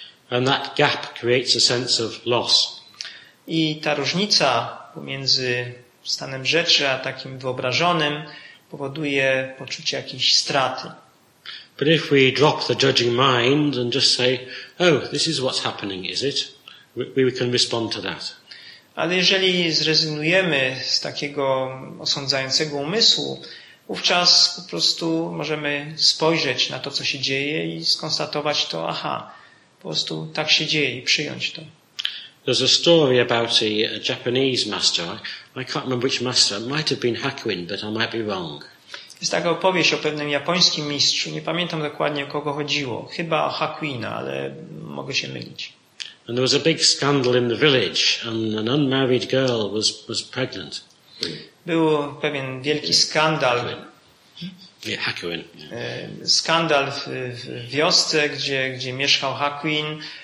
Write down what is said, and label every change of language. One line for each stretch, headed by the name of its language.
English: And that gap creates a sense of loss.
Polish: I ta różnica pomiędzy stanem rzeczy a takim wyobrażonym powoduje poczucie jakiejś straty.
English: But if we drop the judging mind and just say, oh, this is what's happening, is it? We can respond to that.
Polish: Ale jeżeli zrezygnujemy z takiego osądzającego umysłu, wówczas po prostu możemy spojrzeć na to, co się dzieje i skonstatować to, aha, po prostu tak się dzieje i przyjąć to.
English: There's a story about a Japanese master. I can't remember which master. It might have been Hakuin, but I might be wrong.
Polish: Jest taka opowieść o pewnym japońskim mistrzu. Nie pamiętam dokładnie, o kogo chodziło. Chyba o Hakuina, ale mogę się mylić.
English: And there was a big scandal in the village and an unmarried girl was pregnant.
Polish: Był pewien wielki skandal. Hakuin. Skandal w wiosce, gdzie mieszkał Hakuin.